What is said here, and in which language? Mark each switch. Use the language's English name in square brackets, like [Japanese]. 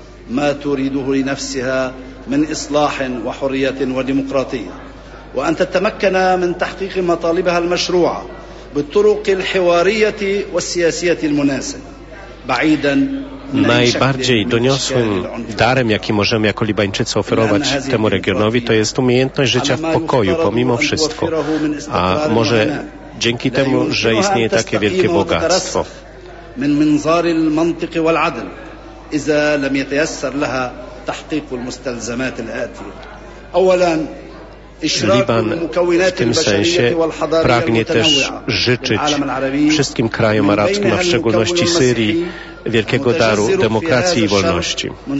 [Arabic] ما تريده لنفسها من إصلاح وحرية وديمقراطية وأن تتمكن من تحقيق مطالبها المشروعة بالطرق الحوارية والسياسية المناسبة بعيدا [Polish] Najbardziej doniosłym darem, jaki możemy jako Libańczycy oferować temu regionowi, to jest umiejętność życia w pokoju pomimo wszystko, a może dzięki temu, że istnieje takie wielkie bogactwo. [Arabic] من منظار المنطق والعدل إذا لم يتيسر لها تحقيق المستلزمات الآتية. أولاً [Polish] Liban w tym sensie pragnie też życzyć wszystkim krajom arabskim, a w szczególności Syrii, wielkiego daru demokracji i wolności.